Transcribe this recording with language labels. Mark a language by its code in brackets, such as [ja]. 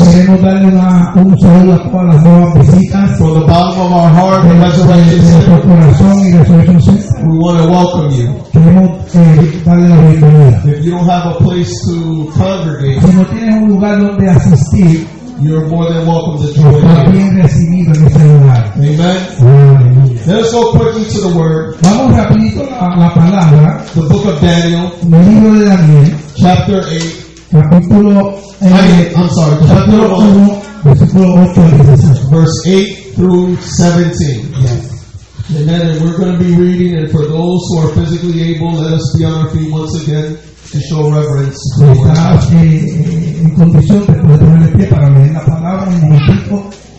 [es] Queremos darle un saludo a todas las nuevas visitas. [en] From the bottom of our heart, [es] de nuestro corazón y Resurrection Center, [en] we want to welcome you. [es] Queremos darle la bienvenida. [en] If you don't have a place to congregate, [es] si no tienes un lugar donde asistir, [en] you're more than welcome to join. [es] Bien recibido en este lugar. [en] Amen. Let's go quickly to the word. [es] Vamos rapidito a la palabra. [en] The book of Daniel. [es] El libro de Daniel. [en] Chapter 8. [es] Capítulo [en] 8. I'm sorry. Chapter 1. [es] Versículo 8 al 16. [en] Verse 8 through 17. Yes. Amen. And we're going to be reading, and for those who are physically able, let us be on our feet once again to show reverence. [es] Estás en condición de poder poner el pie para leer la palabra en un momentito.